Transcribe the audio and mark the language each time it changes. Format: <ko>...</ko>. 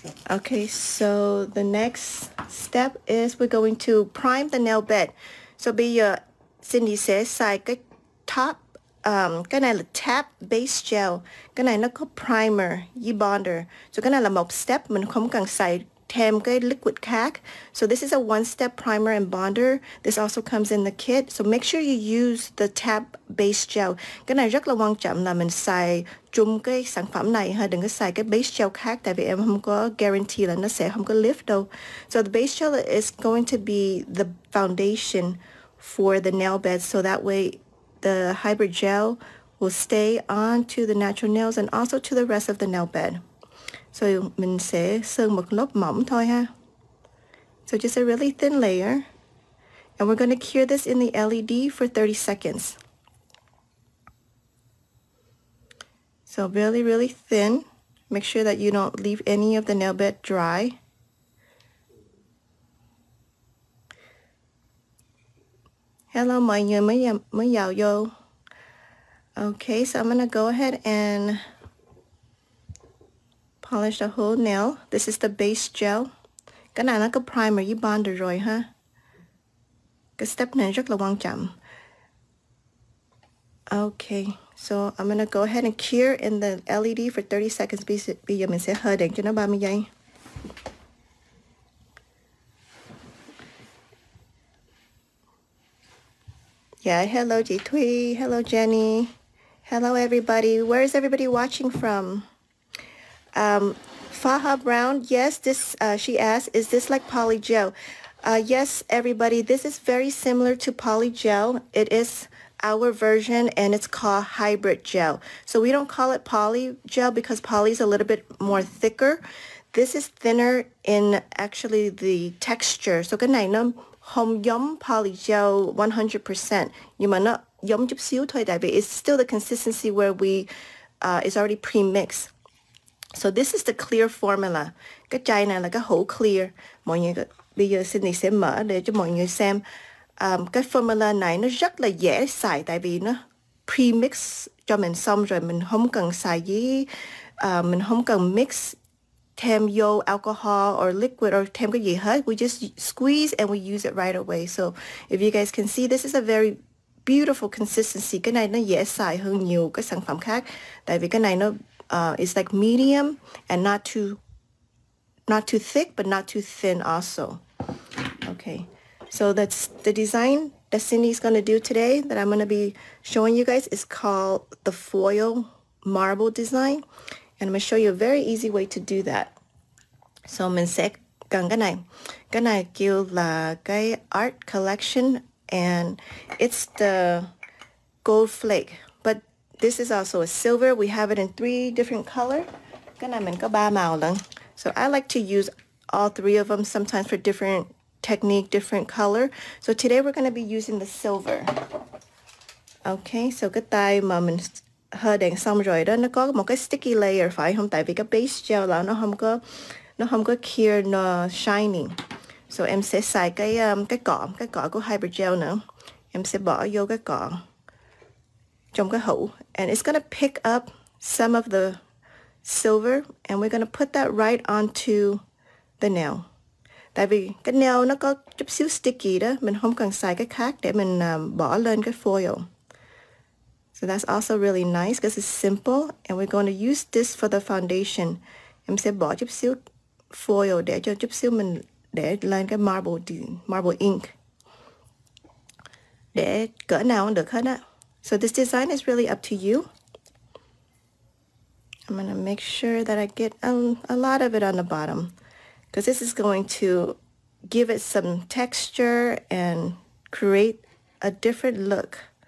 <en>Okay, so the next step is we're going to prime the nail bed. So Cindy says,</en> <vi>xài cái top, cái này là tap base gel. Cái này nó có primer, y bonder. So cái này là một step, mình không cần xài thêm cái liquid khác.</vi> <en>So this is a one-step primer and bonder. This also comes in the kit. So make sure you use the tap base gel.</en> <vi>Cái này rất là quan trọng là mình xài chung cái sản phẩm này ha. Đừng có xài cái base gel khác tại vì em không có guarantee là nó sẽ không có lift đâu.</vi> <en>So the base gel is going to be the foundation for the nail bed. So that way the hybrid gel will stay on to the natural nails and also to the rest of the nail bed.</en> <vi>So mình sẽ sơn một lớp mỏng thôi ha.</vi> <en>So just a really thin layer. And we're going to cure this in the LED for 30 seconds. So really, really thin. Make sure that you don't leave any of the nail bed dry.</en> <vi>Hello, mọi người mới vào vô.</vi> <en>Okay, so I'm going to go ahead and polish the whole nail. This is the base gel.</en> <vi>Cái này nó có primer, y bonder rồi ha. Cái step này rất là quan trọng.</vi> <en>Okay, so I'm gonna go ahead and cure in the LED for 30 seconds.</en> <vi>Bây giờ mình sẽ hơi đèn cho nó 30 giây.</vi> <en>Yeah, hello chị Thuy, hello Jenny. Hello everybody, where is everybody watching from? Faha Brown, yes, this, she asked, is this like poly gel? Yes, everybody, this is very similar to poly gel. It is our version and it's called hybrid gel. So we don't call it poly gel because poly is a little bit more thicker. This is thinner in actually the texture.</en> <vi>So cái này nó không giống poly gel 100%. Nhưng mà nó giống chút xíu thôi tại vì</vi> <en>it's still the consistency where we, it's already pre-mixed. So this is the clear formula.</en> <vi>Cái chai này là cái hũ clear. Mọi người bây giờ Cindy sẽ mở để cho mọi người xem. Cái formula này nó rất là dễ xài tại vì nó pre-mix cho mình xong rồi. Mình không cần xài giấy. Mình không cần mix thêm vô alcohol or liquid or thêm cái gì hết.</vi> <en>We just squeeze and we use it right away. So if you guys can see, this is a very beautiful consistency.</en> <vi>Cái này nó dễ xài hơn nhiều cái sản phẩm khác. Tại vì cái này nó</vi> <en>it's like medium and not too thick, but not too thin also. Okay, so that's the design that Cindy's going to do today that I'm going to be showing you guys is called the foil marble design. And I'm going to show you a very easy way to do that.</en> <vi>So mình sẽ cần cái này. Cái này kêu là cái art collection</vi> <en>and it's the gold flake. This is also a silver. We have it in three different colors.</en> <vi>Cái này mình có ba màu lận.</vi> <en>So I like to use all three of them sometimes for different technique, different color. So today we're going to be using the silver.</en> <vi>Okay, so cái tay mà mình hơi đèn xong rồi đó, nó có một cái sticky layer phải không? Tại vì cái base gel là nó không có cure nó shiny. So em sẽ xài cái cỏ của hybrid gel nữa. Em sẽ bỏ vô cái cỏ.</vi> <en>And it's going to pick up some of the silver and we're going to put that right onto the nail.</en> <vi>Tại vì cái nail nó có chút xíu sticky đó, mình không cần xài cái khác để mình bỏ lên cái foil.</vi> <en>So that's also really nice because it's simple and we're going to use this for the foundation.</en> <vi>Em sẽ bỏ chút xíu foil để cho chút xíu mình để lên cái marble ink. để cỡ nào cũng được hết á.</vi> <en>So this design is really up to you. I'm gonna make sure that I get a lot of it on the bottom, because this is going to give it some texture and create a different look.</en>